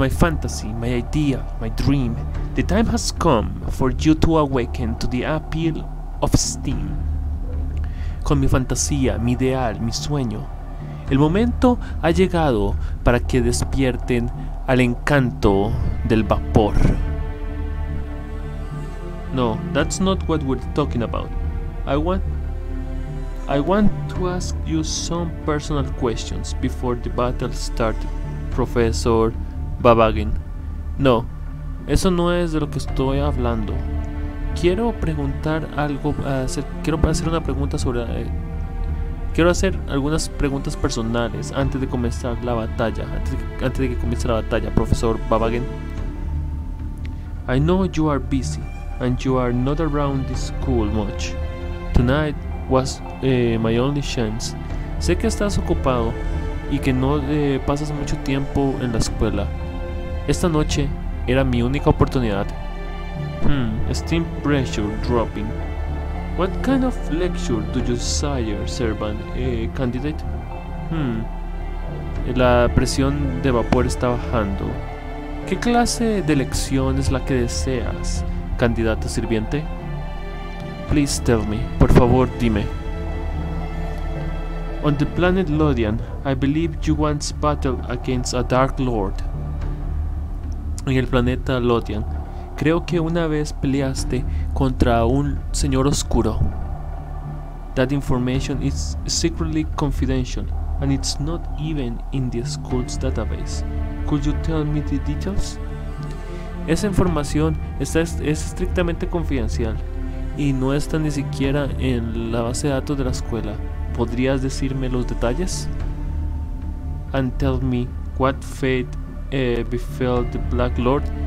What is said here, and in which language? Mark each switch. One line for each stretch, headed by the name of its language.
English: With my fantasy, my idea, my dream, the time has come for you to awaken to the appeal of steam.
Spanish: Con mi fantasía, mi ideal, mi sueño, el momento ha llegado para que despierten al encanto del vapor.
English: No, that's not what we're talking about. I want to ask you some personal questions before the battle started, Professor Babagin.
Spanish: No, eso no es de lo que estoy hablando. Quiero preguntar algo, quiero hacer algunas preguntas personales antes de comenzar la batalla, antes de que comience la batalla, Profesor Babagin.
English: I know you are busy and you are not around this school much. Tonight was my only chance.
Spanish: Sé que estás ocupado y que no pasas mucho tiempo en la escuela. Esta noche era mi única oportunidad.
English: Steam pressure dropping. What kind of lecture do you desire, servant candidate?
Spanish: La presión de vapor está bajando. ¿Qué clase de lección es la que deseas, candidato sirviente?
English: Please tell me.
Spanish: Por favor, dime.
English: On the planet Lothian, I believe you once battled against a Dark Lord.
Spanish: En el planeta Lothian, creo que una vez peleaste contra un señor oscuro.
English: That information is secretly confidential, and it's not even in the school's database. Could you tell me the details?
Spanish: Esa información es estrictamente confidencial y no está ni siquiera en la base de datos de la escuela. ¿Podrías decirme los detalles?
English: And tell me what fate befell the Black Lord,